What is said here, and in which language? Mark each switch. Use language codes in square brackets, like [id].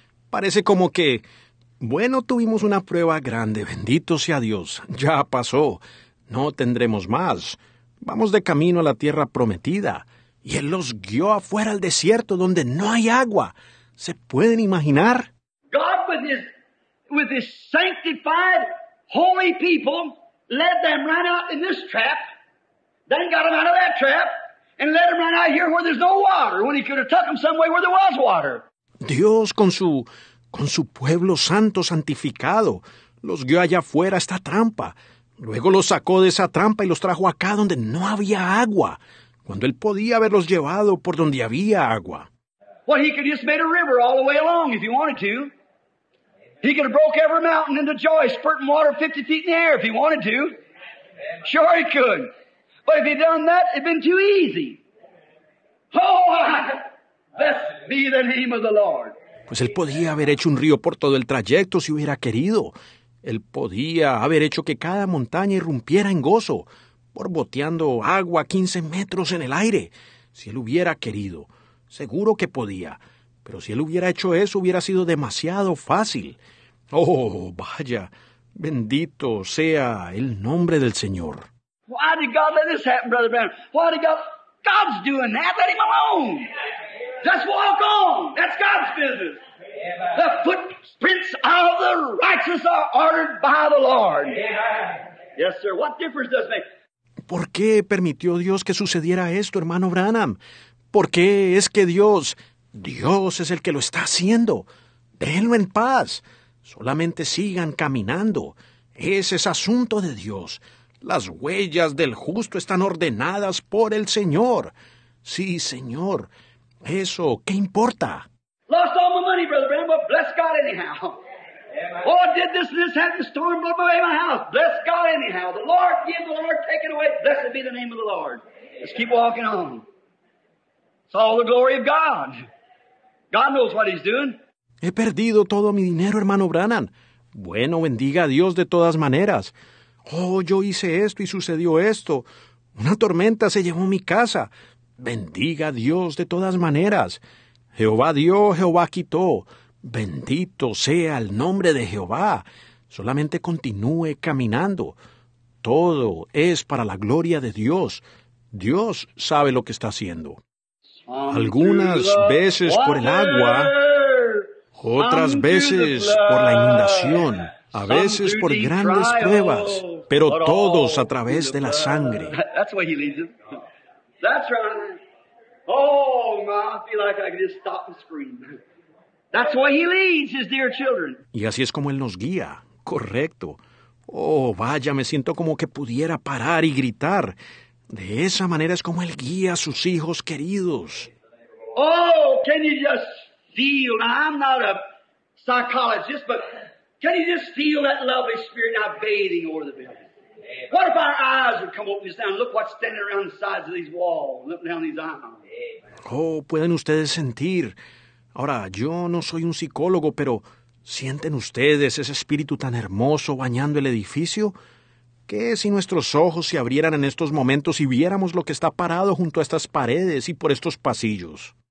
[es] Parece como que, bueno, tuvimos una prueba grande. Bendito sea Dios. Ya pasó. No tendremos más. Vamos de camino a la tierra prometida. Y él los guió afuera al desierto donde no hay agua. ¿Se pueden imaginar? [en] God with his sanctified, holy people led them right out in this trap, then got them out of that trap, and led them right out here where there's no water, when he could have took them some way where there was water. [es] Dios con su pueblo santo santificado los guió allá afuera a esta trampa. Luego los sacó de esa trampa y los trajo acá donde no había agua, cuando él podía haberlos llevado por donde había agua. [en] Well, he could have just made a river all the way along if he wanted to. He could have broke every mountain into joy, spurting water 50 feet in the air if he wanted to. Sure he could. But if he'd done that, it'd been too easy. Oh, blessed be the name of the Lord. [es] Pues él podía haber hecho un río por todo el trayecto si hubiera querido. Él podía haber hecho que cada montaña irrumpiera en gozo, borboteando agua 15 metros en el aire, si él hubiera querido. Seguro que podía, pero si él hubiera hecho eso, hubiera sido demasiado fácil. ¡Oh, vaya! Bendito sea el nombre del Señor. [en] Why did God let this happen, Brother Brown? Why did God... God's doing that. Let him alone. Just walk on. That's God's business. The footprints of the righteous are ordered by the Lord. Yes, sir. What difference does it make? [es] ¿Por qué permitió Dios que sucediera esto, hermano Branham? ¿Por qué es que Dios es el que lo está haciendo? Déjenlo en paz. Solamente sigan caminando. Ese es asunto de Dios. Las huellas del justo están ordenadas por el Señor. Sí, Señor. Eso, ¿qué importa? [en] Lost all my money, Brother Branham, but bless God anyhow. Oh, I did this and this happened, the storm blew away my house. Bless God anyhow. The Lord give, the Lord take it away. Blessed be the name of the Lord. Let's keep walking on. It's all the glory of God. God knows what he's doing. [es] He perdido todo mi dinero, hermano Branham. Bueno, bendiga a Dios de todas maneras. Oh, yo hice esto y sucedió esto. Una tormenta se llevó mi casa. Bendiga a Dios de todas maneras. Jehová dio, Jehová quitó. Bendito sea el nombre de Jehová. Solamente continúe caminando. Todo es para la gloria de Dios. Dios sabe lo que está haciendo. Algunas veces por el agua, otras veces por la inundación, a veces por grandes pruebas, pero todos a través de la sangre. [en] That's the way he leads them. That's right. Oh, my, I feel like I could just stop and scream. That's the way he leads his dear children. [es] Y así es como él nos guía. Correcto. Oh, vaya, me siento como que pudiera parar y gritar. De esa manera es como él guía a sus hijos queridos. [en] Oh, can you just feel? Now, I'm not a psychologist, but can you just feel that lovely spirit now bathing over the building? What if our eyes would come open just now and look what's standing around the sides of these walls, looking down these aisles? [es] Oh, pueden ustedes sentir. Ahora, yo no soy un psicólogo, pero ¿sienten ustedes ese espíritu tan hermoso bañando el edificio? ¿Qué si nuestros ojos se abrieran en estos momentos y viéramos lo que está parado junto a estas paredes y por estos pasillos?